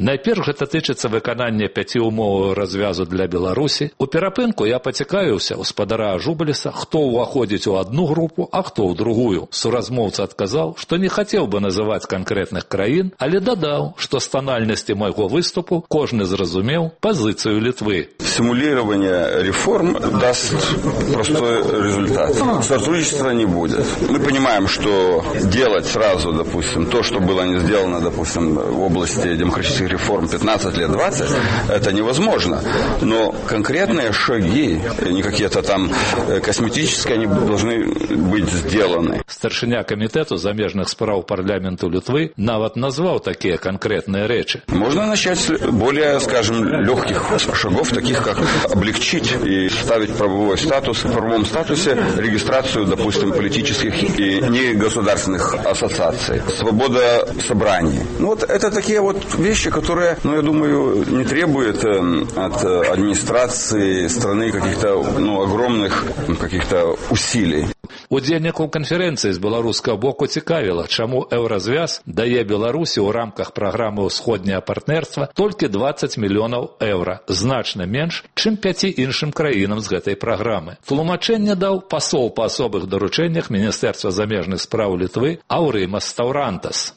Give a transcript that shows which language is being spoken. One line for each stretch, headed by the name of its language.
Belarusian: Найперш гэта тычыцца выканання 5 умоваў развязу для Беларусі. У перапынку я пацікавіўся ў спадара Ажубаліса, хто ўваходзіць у адну групу, а хто ў другую. Суразмоўца адказаў, што не хацеў бы называць канкрэтных краін, але дадаў, што з танальнасці майго выступу кожны зразумеў пазіцыю Литвы.
Russian: Симулирование реформ даст простой результат. Сотрудничества не будет. Мы понимаем, что делать сразу, допустим, то, что было не сделано, допустим, в области демократических реформ 15 лет, 20, это невозможно. Но конкретные шаги, не какие-то там косметические, они должны быть сделаны.
Belarusian: Старшиня комитету замежных справ парламенту Литвы навод назвал такие конкретные речи.
Russian: Можно начать с более, скажем, легких шагов, таких как облегчить и ставить правовой статус, в правовом статусе регистрацию, допустим, политических и негосударственных ассоциаций, свобода собраний. Ну вот это такие вот вещи, которые, ну я думаю, не требуют от администрации страны каких-то, ну, огромных каких-то усилий.
Belarusian: Удзельнікаў канферэнцыі з беларускага боку цікавіла, чаму «Еўразвяз» дае Беларусі ў рамках праграмы «Усходняе партнерства» толькі 20 мільёнаў еўра, значна менш, чым 5 іншым краінам з гэтай праграмы. Тлумачэнне даў пасол па асобых даручэннях Міністэрства замежных справ Літвы Аўрымас Стаўрантас.